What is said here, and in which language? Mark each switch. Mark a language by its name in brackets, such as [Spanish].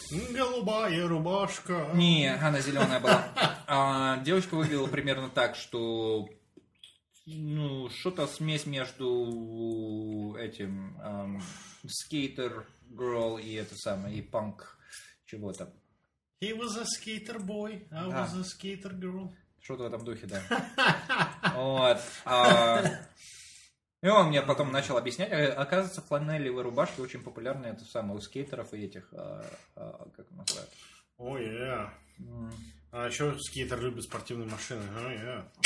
[Russian] Голубая рубашка. Не, она зеленая была. Девочка выглядела примерно так, что... Ну, что-то смесь между этим... Скейтер girl и это самое, и панк чего-то. [English] He was a skater boy, I was a skater girl. [Russian] Что-то в этом духе, да. Вот. И он мне потом начал объяснять. Оказывается, фланелевые рубашки очень популярны. Это самое у скейтеров и этих... как называют? О, oh, yeah. А еще скейтер любит спортивные машины. О, oh, yeah.